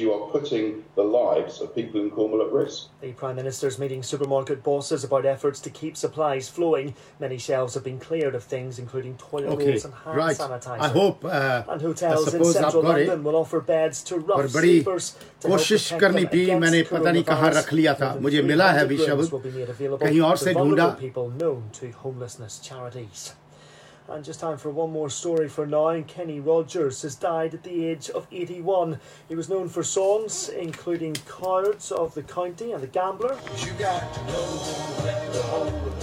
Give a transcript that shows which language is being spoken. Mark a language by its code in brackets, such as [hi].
[en] You are putting the lives of people in Cornwall at risk. The Prime Minister's meeting supermarket bosses about efforts to keep supplies flowing. Many shelves have been cleared of things, including toilet rolls okay. and hand right. sanitizer. I hope, and hotels in central London will offer beds to rough sleepers. [hi] बड़ी कोशिश करनी थी मैंने पता नहीं कहाँ रख लिया था मुझे मिला है अभी शब्द कहीं और से ढूंढा [en] people known to homelessness charities. And just time for one more story for now. And Kenny Rogers has died at the age of 81. He was known for songs, including Cards of the County and The Gambler. You got to know when to hold.